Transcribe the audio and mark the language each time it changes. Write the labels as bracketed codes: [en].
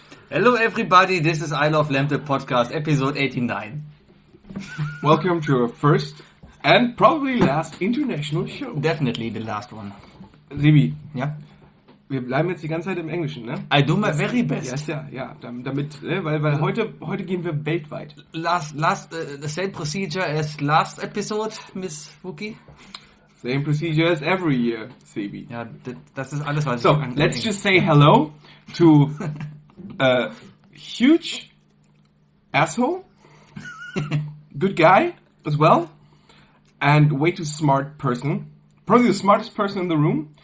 [en] Hello everybody, this is Isle of Lamp, the podcast, episode 89. Welcome to our first and probably last international show. Definitely the last one. Sebi. [de] Ja? Wir bleiben jetzt die ganze Zeit im Englischen, ne? [en] I do my very best. [de] Yes, ja, damit, weil heute gehen wir weltweit. [en] The same procedure as last episode, Miss Wookie. Same procedure as every year, Sebi. [de] Ja, das ist alles, was [en] so, ich... So, let's just say hello to... A huge asshole, good guy as well, and way too smart person, probably the smartest person in the room.